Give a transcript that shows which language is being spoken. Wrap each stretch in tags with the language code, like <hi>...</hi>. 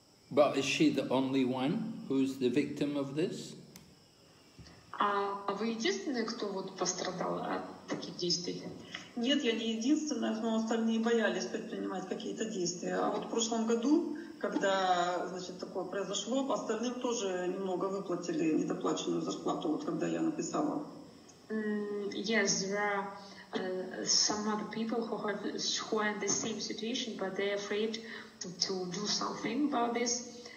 <en>But is she the only one who's the victim of this?</en> <ru>А вы единственная, кто вот пострадал от таких действий? Нет, я не единственная, но остальные боялись предпринимать какие-то действия. А вот в прошлом году, когда, значит, такое произошло, остальным тоже немного выплатили недоплаченную зарплату, вот когда я написала.</ru> <en>Yes, there are some other people who are in the same situation, but they're afraid to do something about this.</en>